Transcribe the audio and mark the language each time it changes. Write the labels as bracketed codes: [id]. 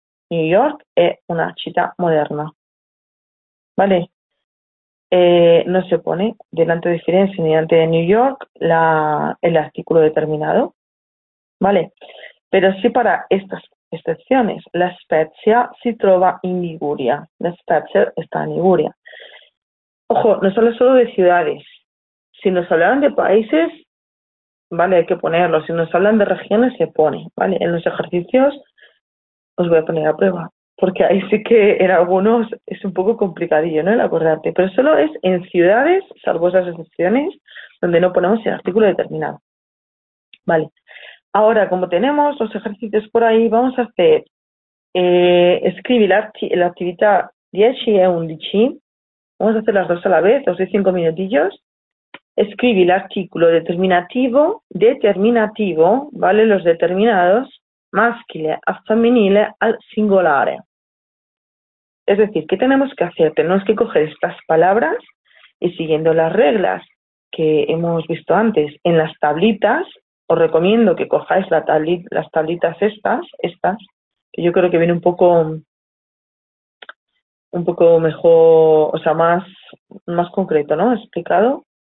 [it] New York es una città moderna. [es] Vale. No se pone delante de Firenze ni delante de New York el artículo determinado, ¿vale? Pero sí para estas excepciones. [it] La Spezia si trova in Liguria. [es] La Spezia está en Liguria. Ojo, no se habla solo de ciudades. Si nos hablan de países, ¿vale? Hay que ponerlo. Si nos hablan de regiones, se pone, ¿vale? En los ejercicios os voy a poner a prueba. Porque ahí sí que en algunos es un poco complicadillo, ¿no? El acordarte. Pero solo es en ciudades, salvo esas excepciones, donde no ponemos el artículo determinado. Vale. Ahora, como tenemos los ejercicios por ahí, vamos a hacer. Escribir la actividad 10 y 11. Vamos a hacer las dos a la vez, os doy 5 minutillos. Escribir el artículo determinativo, ¿vale? Los determinados. [it] Maschile a femminile al singolare. [es] Es decir, ¿qué tenemos que hacer? Tenemos que coger estas palabras y siguiendo las reglas que hemos visto antes en las tablitas, os recomiendo que cojáis las tablitas estas, que yo creo que viene un poco mejor, o sea, más concreto, ¿no? Explicado.